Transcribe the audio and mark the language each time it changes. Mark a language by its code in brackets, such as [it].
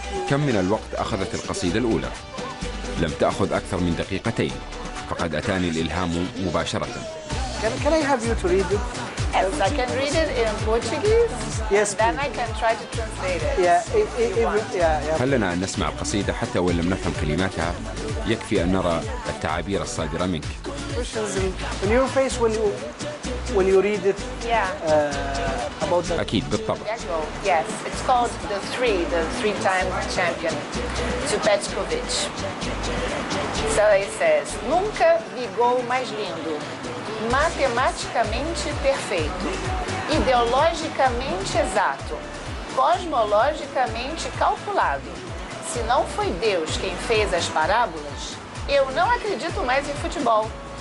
[ar] كم من الوقت أخذت القصيدة الأولى؟ لم تأخذ أكثر من دقيقتين، فقد أتاني الإلهام مباشرة. [en] Can I have you to read it? Yes, I can read it in Portuguese. Yes. Then I can try to translate it. Yeah. [ar] خلنا أن نسمع القصيدة حتى وإن لم نفهم كلماتها. يكفي أن نرى التعابير الصادرة منك. [en] In your face when you read it. Yeah. About the. [ar] أكيد بالطبع. [en] Yes, it's called the three-time champion, to Petkovic. So he says, [pt] nunca vi gol mais lindo. Matematicamente perfeito, ideologicamente exato, cosmologicamente calculado. Se não foi Deus quem fez as parábolas, eu não acredito mais em futebol.